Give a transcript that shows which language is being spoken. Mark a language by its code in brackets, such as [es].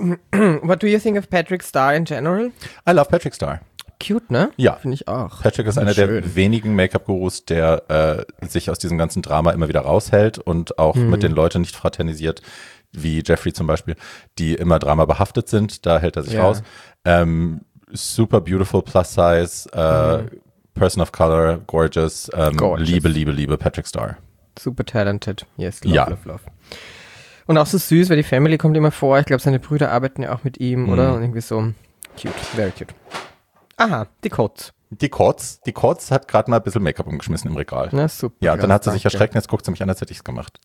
[en] What do you think of Patrick Starr in general? I love Patrick Starr. [de] Cute, ne? Ja. Finde ich auch. Patrick ist einer schön. Der wenigen Make-up-Gurus, der sich aus diesem ganzen Drama immer wieder raushält und auch mit den Leuten nicht fraternisiert, wie Jeffree zum Beispiel, die immer Drama behaftet sind. Da hält er sich raus. [en] Super beautiful, plus size, person of color, gorgeous. [de] Liebe Patrick Starr. [en] Super talented. Yes, love. [de] Und auch so süß, weil die Family kommt immer vor. Ich glaube, seine Brüder arbeiten ja auch mit ihm, oder? Und irgendwie so cute, [en] very cute. [de] Aha, die Kotz. Die Kotz hat gerade mal ein bisschen Make-up umgeschmissen im Regal. Na super. Ja, und dann hat sie sich erschreckt und jetzt guckt sie mich an, als hätte ich es gemacht.